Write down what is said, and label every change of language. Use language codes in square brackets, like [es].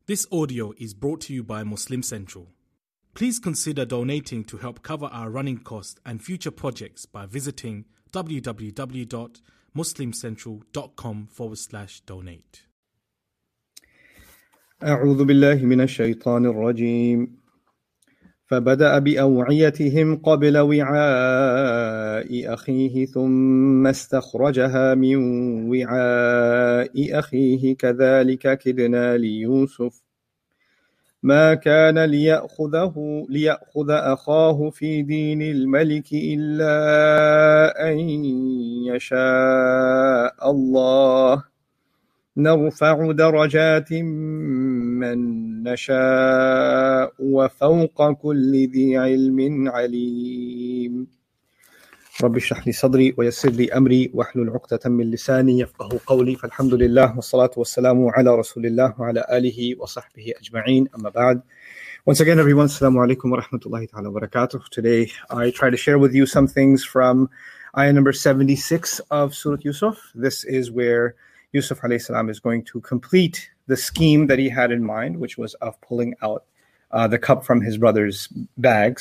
[en] This audio is brought to you by Muslim Central. Please consider donating to help cover our running costs and future projects by visiting www.muslimcentral.com/donate. [ar] أعوذ بالله من الشيطان الرجيم. فبدأ بأوعيتهم قبل وعاء أخيه ثم استخرجها من وعاء أخيه كذلك كدنا ليوسف ما كان ليأخذ أخاه في دين الملك إلا أن يشاء الله نرفع درجات من نشاء وفوق كل ذي علم عليم رب اشرح لي صدري ويسر لي أمري واحلل عقدة من لساني يفقه قولي فالحمد لله والصلاة والسلام على رسول الله وعلى آله وصحبه أجمعين أما بعد. [en] Once again everyone, [ar] assalamu alaikum wa rahmatullahi ta'ala wa barakatuh. [en] Today I try to share with you some things from ayah number 76 of Surah Yusuf. This is where Yusuf alayhi salam is going to complete the scheme that he had in mind, which was of pulling out the cup from his brother's bag.